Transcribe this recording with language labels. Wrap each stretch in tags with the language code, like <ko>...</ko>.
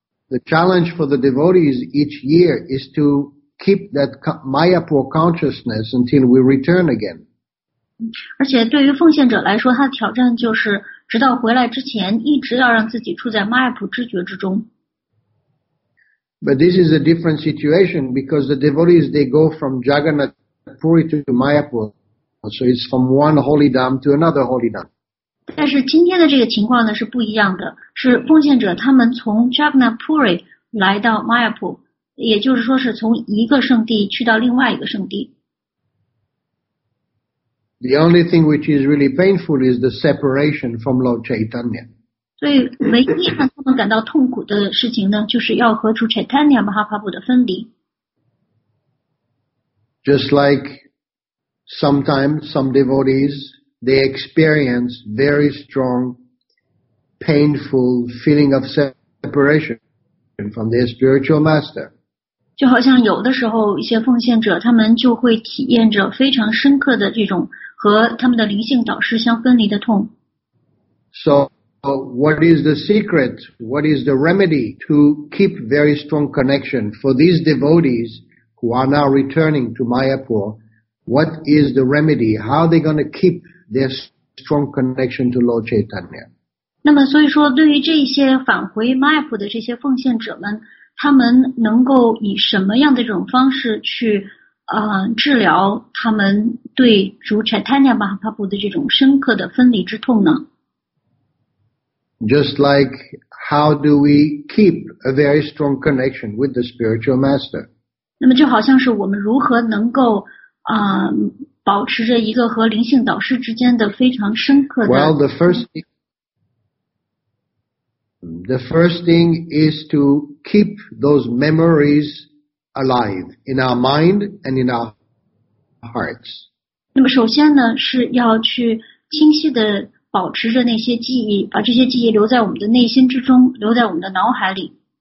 <en>And the challenge for the devotees each year is to keep that Mayapur consciousness until we return again.</en> <zh>而且对于奉献者来说，他的挑战就是直到回来之前，一直要让自己处在 Mayapur 知觉之中。</zh> <en>But this is a different situation because the devotees they go from Jagannath. Puri to Mayapur, so it's from one holy dam to another holy dam.</en> <zh>但是今天的这个情况呢是不一样的，是奉献者他们从 Jagannath Puri 来到 Mayapur， 也就是说是从一个圣地去到另外一个圣地。</zh> <en>The only thing which is really painful is the separation from Lord Chaitanya.</en> <zh>所以唯一让他们感到痛苦的事情呢，就是要和主 Chaitanya Mahaprabhu 的分离。</zh> <en>Just like sometimes some devotees, they experience very strong, painful feeling of separation from their spiritual master.</en> <zh>就好像有的时候一些奉献者他们就会体验着非常深刻的这种和他们的灵性导师相分离的痛。</zh> <en>So what is the secret? What is the remedy to keep very strong connection for these devotees? Who are now returning to Mayapur? What is the remedy? How are they going to keep their strong connection to Lord Chaitanya?</en> <zh>那么，所以说，对于这些返回 Mayapur 的这些奉献者们，他们能够以什么样的这种方式去治疗他们对主 Chaitanya Mahaprabhu 的这种深刻的分离之痛呢？</zh> <en>Just like how do we keep a very strong connection with the spiritual master?</en> <zh>那么就好像是我们如何能够保持着一个和灵性导师之间的非常深刻的。</zh> <en>Well, the first thing is to keep those memories alive in our mind and in our hearts.</en> <zh>那么首先呢，是要去清晰的保持着那些记忆，把这些记忆留在我们的内心之中，留在我们的脑海里。</zh>